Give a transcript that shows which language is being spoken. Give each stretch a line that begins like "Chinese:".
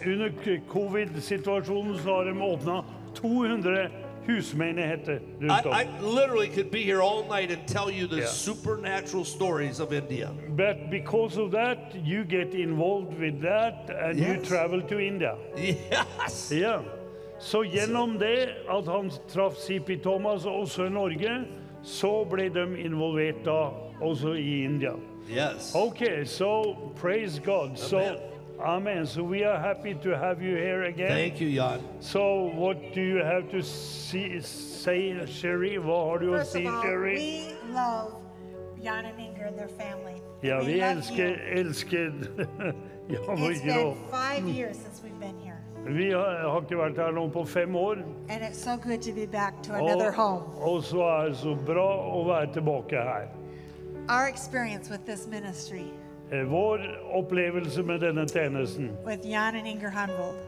Norwegian: Under COVID-situationen så har de åpnet 200 husmenigheter.
English: I literally could be here all night and tell you the supernatural stories of India. But because of that, you get involved with that and you travel to India. Yes.
Norwegian: Yeah. Så gjennom det at han traff C.P. Thomas også I Norge, så ble de involvert da også I India.
English: Yes. Okay, so praise God. Amen. So, amen. So we are happy to have you here again. Thank you, Jan. So what do you have to say, Sherry? What are you saying, Sherry? First of all, we love Jan and Inger and their family.
Norwegian: Ja,
English: and
Norwegian: vi elsker Jan og Inger.
English: It's been 5 years since we've been here.
Norwegian: Vi har ikke vært her nå på 5 år.
English: And it's so good to be back to another home.
Norwegian: Og så så bra å være tilbake her.
English: Our experience with this ministry.
Norwegian: Vår opplevelse med denne tjenesten.
English: With Jan and Inger Hanvold.